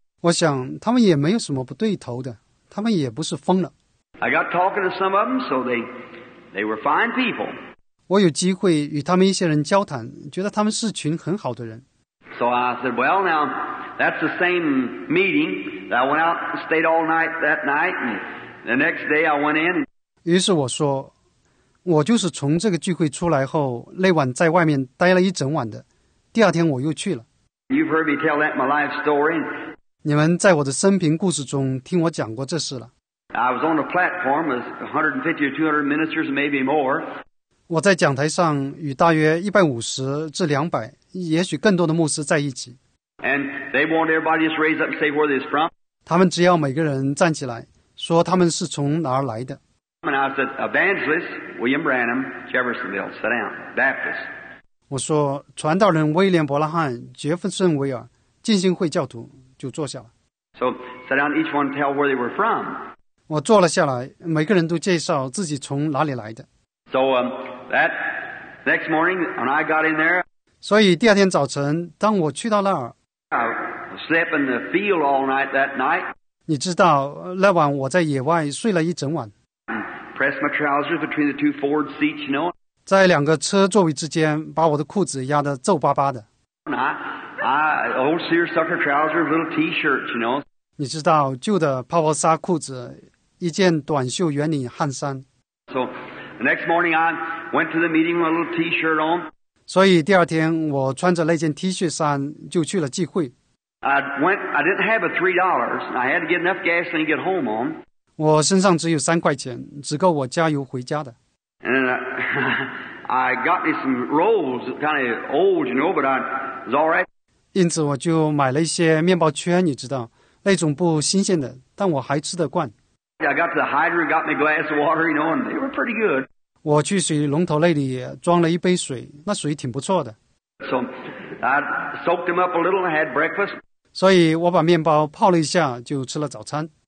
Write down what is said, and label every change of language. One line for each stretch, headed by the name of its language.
Chinese: 我想他们也没有什么不对头的，他们也不是疯了。
English: I got talking to some of them, so they were fine people.
Chinese: 我有机会与他们一些人交谈，觉得他们是群很好的人。
English: So I said, well, now that's the same meeting that I went out and stayed all night that night, and the next day I went in.
Chinese: 于是我说，我就是从这个聚会出来后，那晚在外面待了一整晚的。第二天我又去了。
English: You've heard me tell that my life story.
Chinese: 你们在我的生平故事中听我讲过这事了。
English: I was on a platform with 150 or 200 ministers, maybe more.
Chinese: 我在讲台上与大约150至200，也许更多的牧师在一起。
English: And they want everybody to raise up and say where they're from.
Chinese: 他们只要每个人站起来，说他们是从哪儿来的。
English: And I said, Evangelist William Branham, Jeffersonville, sit down, Baptist.
Chinese: 我说，传道人威廉·伯拉罕、杰弗森维尔，浸信会教徒，就坐下了。
English: So sit down, each one tell where they were from.
Chinese: 我坐了下来，每个人都介绍自己从哪里来的。
English: So that next morning when I got in there.
Chinese: 所以第二天早晨，当我去到那儿
English: ，I slept in the field all night that night.
Chinese: 你知道，那晚我在野外睡了一整晚。
English: Pressed my trousers between the two Ford seats, you know.
Chinese: 在两个车座位之间，把我的裤子压得皱巴巴的。
English: I old seersucker trousers, little T-shirt, you know.
Chinese: 你知道旧的泡泡纱裤子，一件短袖圆领汗衫。
English: So the next morning, I went to the meeting with a little T-shirt on.
Chinese: 所以第二天我穿着那件 T 恤衫就去了聚会。
English: I didn't have $3. I had to get enough gas to get home on.
Chinese: 我身上只有3块钱，只够我加油回家的。
English: And I got me some rolls, kind of old, you know, but I was all right.
Chinese: 因此我就买了一些面包圈，你知道，那种不新鲜的，但我还吃得惯。
English: I got to the hydrant, got me a glass of water, you know, and they were pretty good.
Chinese: 我去水龙头那里装了一杯水，那水挺不错的。
English: So I soaked them up a little and had breakfast.
Chinese: 所以我把面包泡了一下，就吃了早餐。